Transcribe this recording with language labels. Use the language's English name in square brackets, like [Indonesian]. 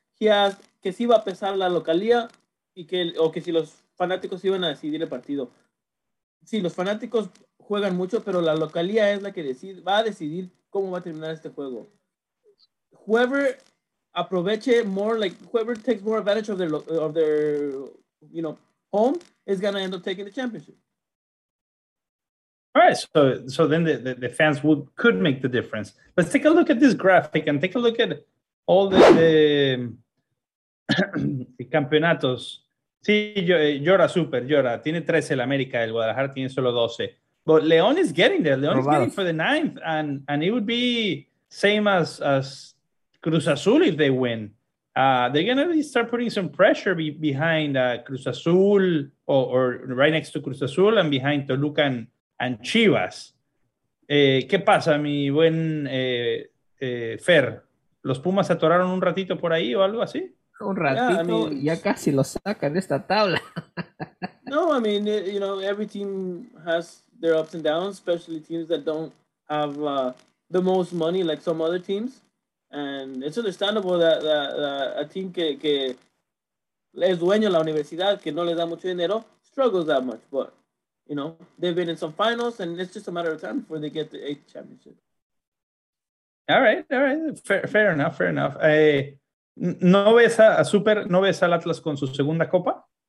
[English] He asked [Spanish] que si iba a pesar la localía y que o que si los fanáticos iban a decidir el partido. Sí, los fanáticos juegan mucho, pero la localía es la que decide. Va a decidir. ¿Cómo va a terminar este juego? [English] Whoever [Spanish] aproveche [English] more, like whoever takes more advantage of their, you know, home is going to end up taking the championship. All right. So then the fans could make the difference. Let's take a look at this graphic and take a look at all the campeonatos. [Spanish] Sí, llora super, llora. Tiene 13 el América, el Guadalajara tiene solo 12. [English] But León is getting there. León is getting for the ninth, and it would be same as Cruz Azul if they win. They're gonna really start putting some pressure behind Cruz Azul or right next to Cruz Azul and behind Toluca and Chivas. [Spanish] ¿Qué pasa, mi buen Fer? ¿Los Pumas atoraron un ratito por ahí o algo así? Un ratito, [English] yeah, I mean, [Spanish] ya casi lo sacan de esta tabla. [English] No, I mean, you know, every team has their ups and downs, especially teams that don't have the most money like some other teams. And it's understandable that a team [Spanish] que es dueño de la universidad, que no le da mucho dinero, [English] struggles that much. But, you know, they've been in some finals, and it's just a matter of time before they get the eighth championship. All right. Fair enough. [Spanish] ¿No ves a Super, no ves al Atlas con su segunda copa?